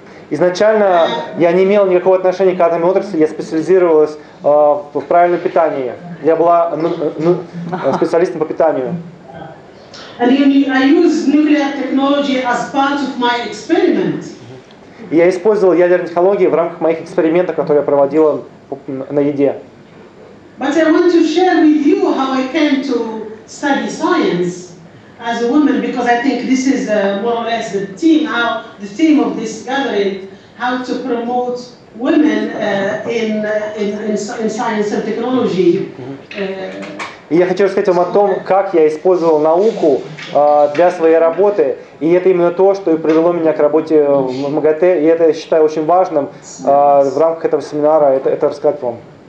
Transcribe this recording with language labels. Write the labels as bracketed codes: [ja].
[ru] Изначально я не имел никакого отношения к атомной отрасли. Я специализировалась в правильном питании. Я была специалистом по питанию. [en] And I use nuclear technology as part of my experiment. [ru] Я использовал ядерную технологию в рамках моих экспериментов, которые я проводила на еде. [en] But I want to share with you how I came to study science as a woman, because I think this is more or less the theme, how the theme of this gathering, how to promote women in science and technology. [ru] И я хочу рассказать вам о том, как я использовал науку для своей работы. И это именно то, что и привело меня к работе в МАГАТЭ. И это я считаю очень важным в рамках этого семинара это рассказать вам.